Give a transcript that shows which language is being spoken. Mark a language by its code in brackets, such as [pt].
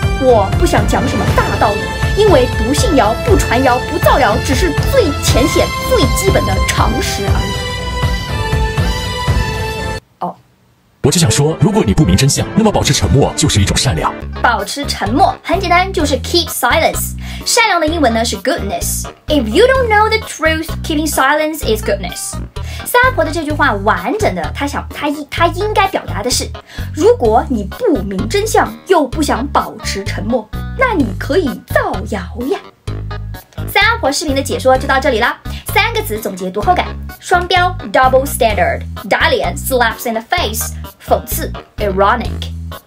[zh] 我不想讲什么大道理，因为不信谣、不传谣、不造谣只是最浅显、最基本的常识而已。我就想说，如果你不明真相，那么保持沉默就是一种善良。保持沉默很简单，就是 [en] keep silence。 [zh] 善良的英文呢是 goodness。 [en] If you don't know the truth, keeping silence is goodness。 [zh] 三阿婆的这句话完整的，她应该表达的是，如果你不明真相又不想保持沉默，那你可以造谣呀。三阿婆视频的解说就到这里了，三个词总结读后感：双标 [en] double standard， [zh] 打脸 [en] slaps in the face， [zh] 讽刺 ironic。